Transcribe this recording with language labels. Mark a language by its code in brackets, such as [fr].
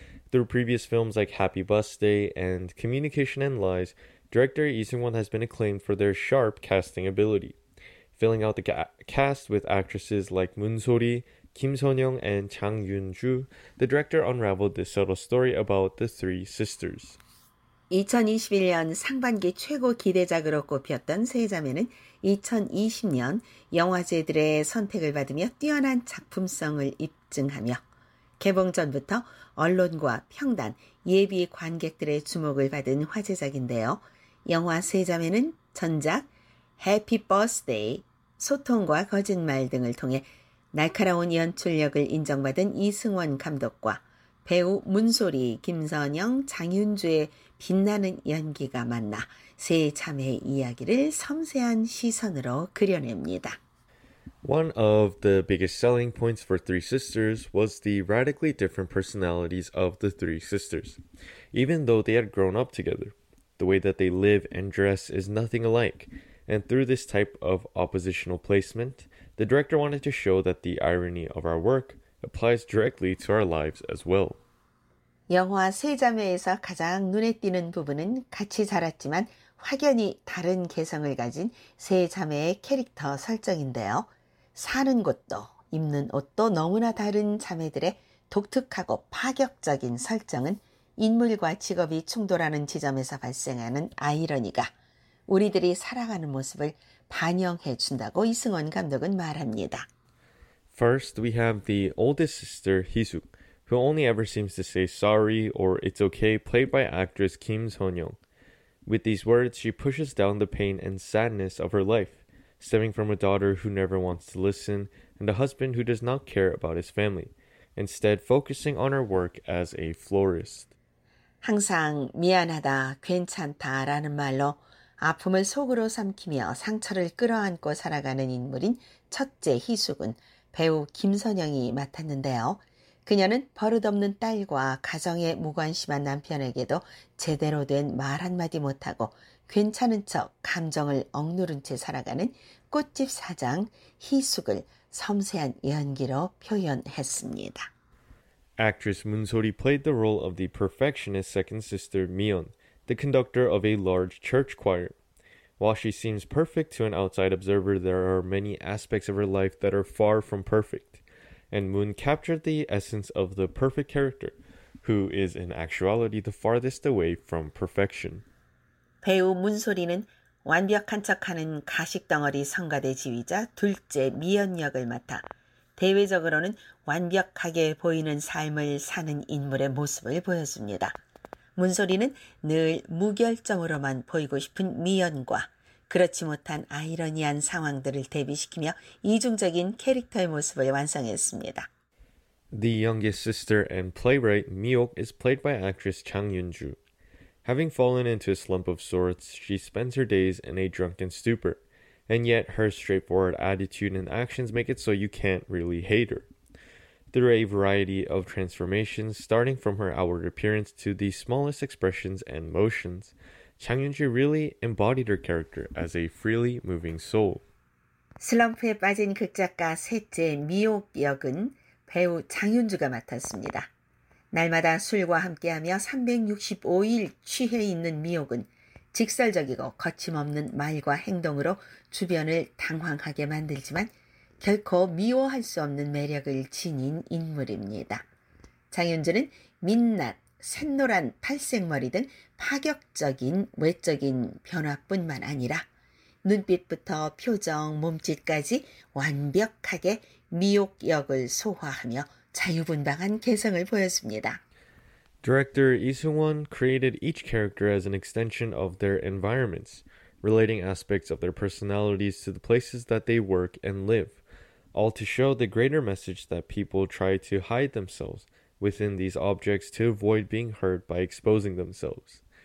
[en] Through previous films like Happy Bus Day and Communication and Lies, director Lee Seung-won has been acclaimed for their sharp casting ability. Filling out the cast with actresses like Moon So-ri, Kim Son-young, and Chang Yun-ju, the director unraveled this subtle story about the three sisters. [ko] 2021년 상반기 최고 기대작으로 꼽혔던 세 자매는 2020년 영화제들의 선택을 받으며 뛰어난 작품성을 입증하며 개봉 전부터 언론과 평단, 예비 관객들의 주목을 받은 화제작인데요. 영화 세 자매는 전작 해피 버스데이, 소통과 거짓말 등을 통해 날카로운 연출력을 인정받은 이승원 감독과 배우 문소리, 김선영, 장윤주의 빛나는 연기가 만나 세 자매의 이야기를 섬세한 시선으로 그려냅니다. [en] One of the biggest selling points for Three Sisters was the radically different personalities of the three sisters. Even though they had grown up together, the way that they live and dress is nothing alike. And through this type of oppositional placement, the director wanted to show that the irony of our work applies directly to our lives as well. [ko] 영화 세 자매에서 가장 눈에 띄는 부분은 같이 자랐지만 확연히 다른 개성을 가진 세 자매의 캐릭터 설정인데요. 사는 곳도, 입는 옷도 너무나 다른 자매들의 독특하고 파격적인 설정은 인물과 직업이 충돌하는 지점에서 발생하는 아이러니가 우리들이 살아가는 모습을 반영해 준다고 이승원 감독은 말합니다. [en] First, we have the oldest sister, Hee-suk, who only ever seems to say sorry or it's okay, played by actress Kim Son-young. With these words, she pushes down the pain and sadness of her life, stemming from a daughter who never wants to listen and a husband who does not care about his family, instead focusing on her work as a florist. [ko] 항상 미안하다, 괜찮다라는 말로 아픔을 속으로 삼키며 상처를 끌어안고 살아가는 인물인 첫째 희숙은 배우 김선영이 맡았는데요. 그녀는 버릇없는 딸과 가정에 무관심한 남편에게도 제대로 된 말 한마디 못하고 괜찮은 척 감정을 억누른 채 살아가는 꽃집 사장 희숙을 섬세한 연기로 표현했습니다. [en] Actress Moon So-ri played the role of the perfectionist second sister Mi-eun, the conductor of a large church choir. While she seems perfect to an outside observer, there are many aspects of her life that are far from perfect, and Moon captured the essence of the perfect character, who is in actuality the farthest away from perfection. [ko] 배우 문소리는 완벽한 척하는 가식덩어리 성가대 지휘자 둘째 미연 역을 맡아 대외적으로는 완벽하게 보이는 삶을 사는 인물의 모습을 보여줍니다. 문소리는 늘 무결점으로만 보이고 싶은 미연과 그렇지 못한 아이러니한 상황들을 대비시키며 이중적인 캐릭터의 모습을 완성했습니다. [en] The youngest sister and playwright, Miok, is played by actress Chang Yun-ju. Having fallen into a slump of sorts, she spends her days in a drunken stupor, and yet her straightforward attitude and actions make it so you can't really hate her. Through a variety of transformations, starting from her outward appearance to the smallest expressions and motions, Chang Yun-ju really embodied her character as a freely moving soul. [ko] 슬럼프에 빠진 극작가 셋째 미옥 역은 배우 장윤주가 맡았습니다. 날마다 술과 함께하며 365일 취해 있는 미옥은 직설적이고 거침없는 말과 행동으로 주변을 당황하게 만들지만 결코 미워할 수 없는 매력을 지닌 인물입니다. 장윤주는 민낯, 샛노란 탈색머리 등 파격적인 외적인 변화뿐만 아니라 눈빛부터 표정, 몸짓까지 완벽하게 미옥 역을 소화하며 자유분방한 개성을 보였습니다. [en] Director Lee Seung-won created each character as an extension of their environments, relating aspects of their personalities to the places that they work and live, all to show the greater message that people try to hide themselves within these objects to avoid being hurt by exposing themselves.